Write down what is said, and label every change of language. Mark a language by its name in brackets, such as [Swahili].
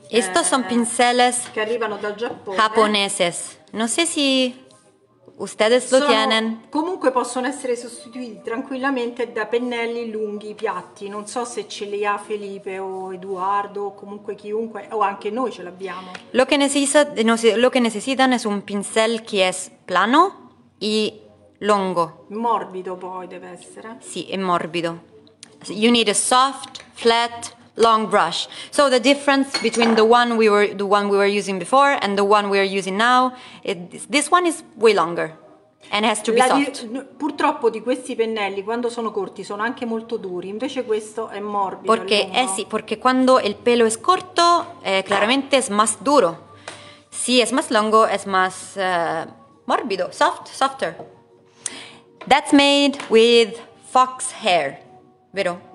[Spanish] Estos son pinceles [Italian] che arrivano dal Giappone. [Spanish] Japoneses. [Italian] Non so se [Spanish] ustedes lo tienen. [Italian] Comunque possono essere sostituiti tranquillamente da pennelli lunghi, piatti. Non so se ce li ha Felipe o Eduardo o comunque chiunque, o anche noi ce l'abbiamo. [Spanish] Lo que necesitan es un pincel que es plano y longo. [Italian] Morbido poi deve essere. Sì, è morbido. [English] You need a soft, flat, long brush. So the difference between the one we were using before and the one we are using now, this one is way longer and has to be soft. [Italian] Purtroppo di questi pennelli quando sono corti sono anche molto duri, invece questo è morbido. Perché sì, perché quando il pelo è corto, chiaramente è [Spanish] más duro. [Italian] Sì, è [Spanish] más longo, [Italian] è [Spanish] más morbido, [English] softer. That's made with fox hair, vero?